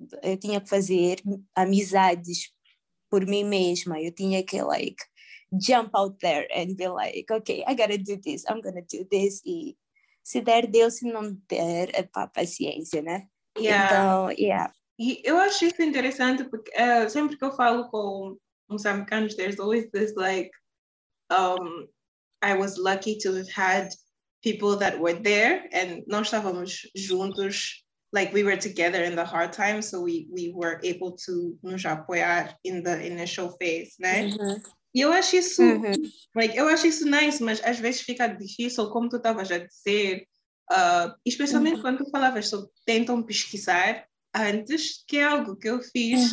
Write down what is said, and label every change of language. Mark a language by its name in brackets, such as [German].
[Portuguese] Eu tinha que fazer amizades por mim mesma. Eu tinha que, [English] like, jump out there and be like, okay, I gotta do this, I'm gonna do this. [Portuguese] E se der, deu, se não der, epá, paciência, né? [English] Yeah. [Portuguese] Então, yeah. E eu acho isso interessante porque sempre que eu falo com [English] Musamkanj, there's always this like, I was lucky to have had people that were there, and [Portuguese] nós estávamos juntos, [English] like we were together in the hard times, so we were able to [Portuguese] nos apoiar [English] in the initial phase, né? [Portuguese] Mm-hmm. Eu acho isso, mm-hmm. [English] like, [Portuguese] eu acho isso [English] nice, [Portuguese] mas às vezes fica difícil, como tu estavas a dizer, especialmente mm-hmm. quando tu falavas sobre tentam pesquisar antes, que é algo que eu fiz.